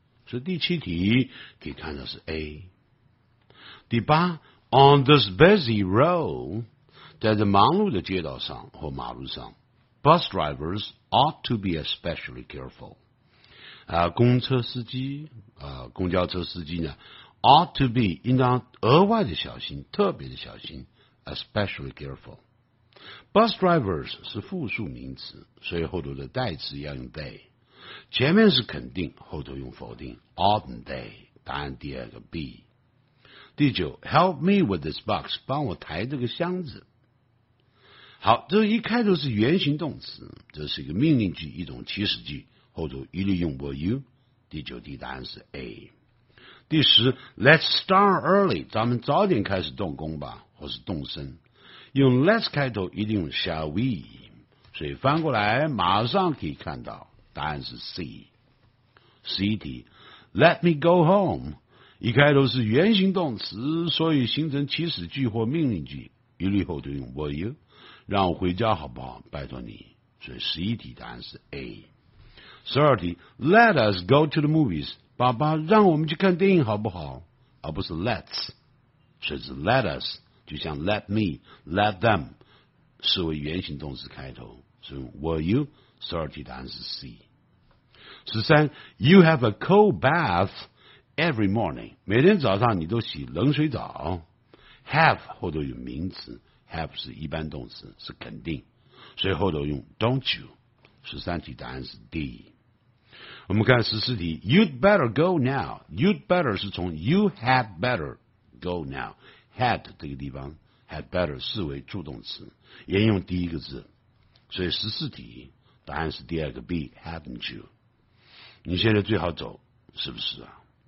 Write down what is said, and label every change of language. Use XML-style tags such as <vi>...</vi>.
<zh>所以第7题可以看到是 A。第8，</zh> <en>On this busy road，</en> <zh>在这忙碌的街道上或马路上，</zh> <en>bus drivers ought to be especially careful</en> <zh>公车司机公交车司机呢 ought to be 应当额外的小心，特别的小心， especially careful。 bus drivers 是复数名词，所以后头的代词要用 they， 前面是肯定，后头用否定， oughtn't they， 答案第二个 B。第9，</zh> <en>help me with this box，</en> <zh>帮我抬这个箱子。好，这一开头是原形动词，这是一个命令句，一种祈使句，后头一律用 will you。第9题答案是 A。第10，</zh> <en>let's start early，</en> <zh>咱们早点开始动工吧，或是动身，用 let's 开头一定用 shall we， 所以翻过来马上可以看到答案是 C。 C 题，</zh> <en>let me go home，</en> <zh>一开头是原形动词，所以形成祈使句或命令句，一律后头用 will you， 让我回家好不好，拜托你，所以11题答案是 A。 12题，</zh> <en>Let us go to the movies，</en> <zh>爸爸让我们去看电影好不好，而不是 let's， 所以是 let us， 就像 let me， let them 视为原形动词开头，所以 were you。 12题答案是 C。</zh> <en>13， You have a cold bath every morning，</en> <zh>每天早上你都洗冷水澡。 have 后头有名词， have 是一般动词，是肯定，所以后头用 don't you。 13题答案是 D。我们看14题，</zh> <en>You'd better go now，</en> <zh>You'd better 是从 You had better go now， had 这个地方 had better 视为助动词，沿用第一个字，所以14题答案是第二个 B， haven't you， 你现在最好走，是不是啊。</zh>